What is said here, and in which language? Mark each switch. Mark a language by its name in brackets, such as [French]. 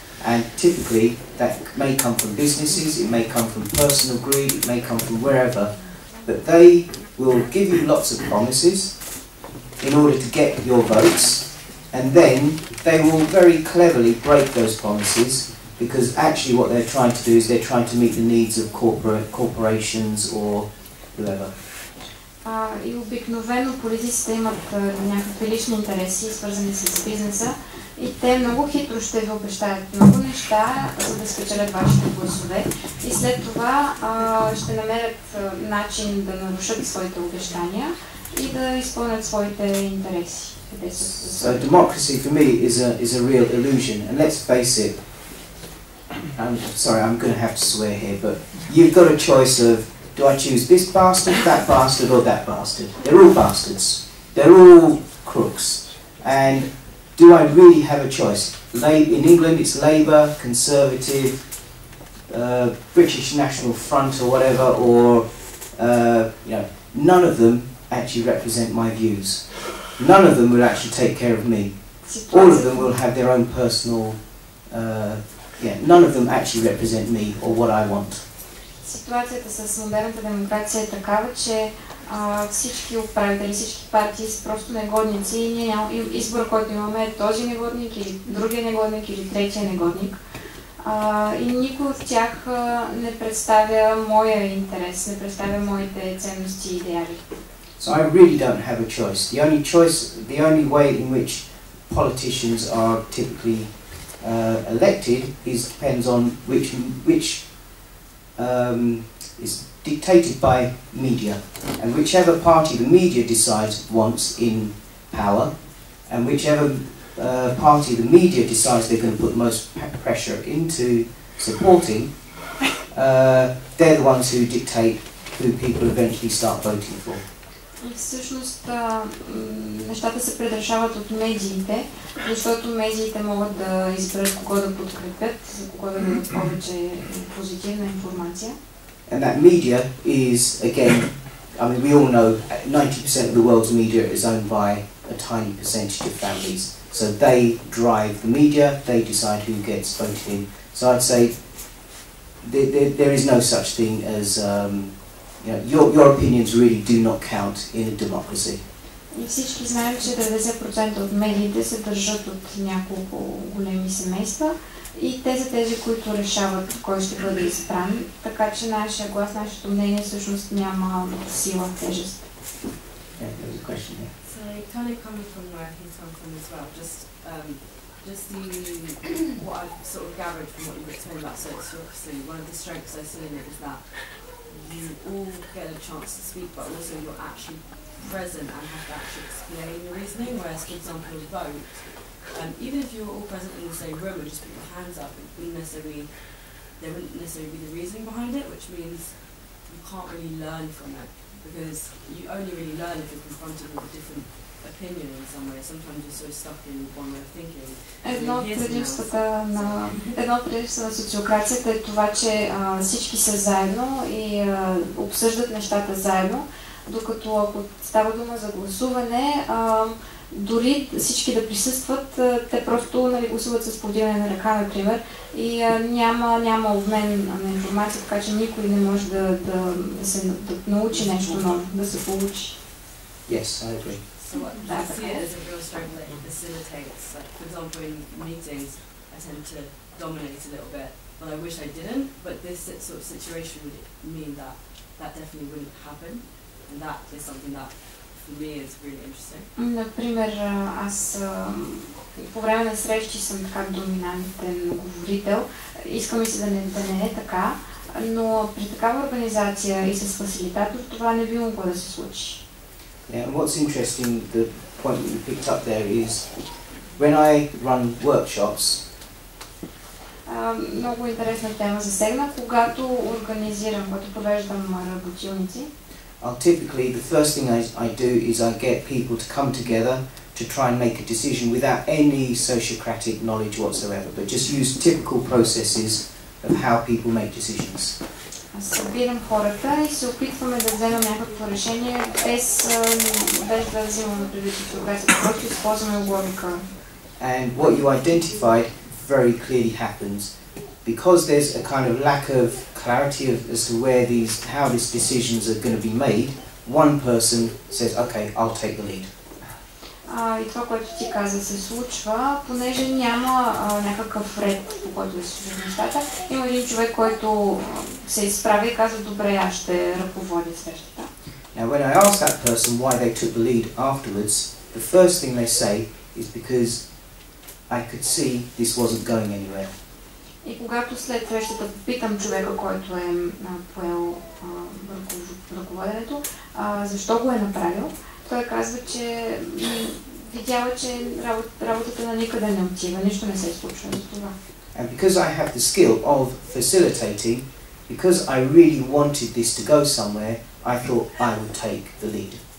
[English] And typically that may come from businesses, it may come from personal greed, it may come from wherever, but they will give you lots of promises in order to get your votes. And then they will very cleverly break those promises, because actually what they're trying to do is they're trying to meet the needs of corporations or whoever. [Bulgarian] И обикновено политиците имат някакви лични интереси, свързани с бизнеса, и те много хитро ще ви обещават много неща, за да спечелят вашите гласове, и след това ще намерят начин да нарушат своите обещания и да изпълнят своите интереси. [English] So democracy for me is a real illusion, and let's face it, I'm sorry, I'm going to have to swear here, but you've got a choice of, do I choose this bastard, that bastard, or that bastard? They're all bastards. They're all crooks. And do I really have a choice? In England it's Labour, Conservative, British National Front or whatever, or none of them actually represent my views. None of them will actually take care of me. All of them will have their own personal... none of them actually represent me or what I want. [Bulgarian] Ситуацията с модерната демокрация е такава, че всички управители, всички партии са просто негодници и избора, който имаме, е този негодник или другия негодник или третия негодник. И никой от тях не представя моя интерес, не представя моите ценности и идеали. [English] So I really don't have a choice. The only choice, the only way in which politicians are typically elected is depends on which is dictated by media. And whichever party the media decides wants in power, and whichever party the media decides they're going to put the most pressure into supporting, they're the ones who dictate who people eventually start voting for. [Bulgarian] Всъщност нещата се предрешават от медиите, защото медиите могат да изберат кого да подкрепят, за кого да имат повече позитивна информация. [English] And that media is, again, I mean, we all know 90% of the world's media is owned by a tiny percentage of families. So they drive the media, they decide who gets voted in. So I'd say there is no such thing as your opinions really do not count in a democracy. [Bulgarian] И всички знаем, че 90% от медиите се държат от няколко големи семейства и тези, които решават кой ще бъде избран, така че нашия глас, нашето мнение всъщност няма сила, тежест. [English] Yeah, there was a question there. So, kind of coming from where I can come from as well, just the, what I've sort of gathered from what you were talking about, so it's obviously one of the strengths I see in it is that you all get a chance to speak, but also you're actually present and have to actually explain your reasoning, whereas, for example, vote, even if you're all present in the same room and just put your hands up, there wouldn't necessarily be the reasoning behind it, which means you can't really learn from it, because you only really learn if you're confronted with a different opinion in some way. Sometimes you're so stuck in one way of thinking. [Bulgarian] Едно от предимствата на социокрацията е това, че всички са заедно и обсъждат нещата заедно, докато ако става дума за гласуване, дори всички да присъстват, те просто гласуват с повдигане на ръка, например, и няма обмен на информация, така че никой не може да научи нещо ново, да се получи. [English] Yes, I agree. So what, I see it as a real strength that it facilitates. Like, for example, in meetings, I tend to dominate a little bit, but I wish I didn't. But this sort of situation would mean that definitely wouldn't happen, and that is something that for me is really interesting. [Bulgarian] Например, аз по време на срещи съм така доминантен говорител. Искам и си да не е така, но при такава организация и с фасилитатор това не би могло да се случи. [English] Yeah, and what's interesting, the point that you picked up there, is when I run workshops, [Bulgarian] много интересна тема засегна, когато организирам, когато провеждам работилници. [English] Typically the first thing I do is I get people to come together to try and make a decision without any sociocratic knowledge whatsoever, but just use typical processes of how people make decisions. [Bulgarian] Събирам хората и се опитваме да вземем някакво решение без да взимаме предвид, че използваме логика. [English] And what you identified very clearly happens because there's a kind of lack of clarity of as to where these how these decisions are going to be made. One person says, "Okay, I'll take the lead." [Bulgarian] И това, което ти каза, се случва, понеже няма някакъв ред, по който да се случва нещата. Има един човек, който се изправи и каза, добре, аз ще ръководя срещата. [English] Now, when I ask that person why they took the lead afterwards, the first thing they say is because I could see this wasn't going anywhere. [Bulgarian] И когато след срещата попитам човека, който е поел ръководенето, защо го е направил, той казва, че видява, че работата на никъде не отива, нищо не се случва за това. [English] And because I have the skill of facilitating, because I really wanted this to go somewhere, I thought I would take the lead.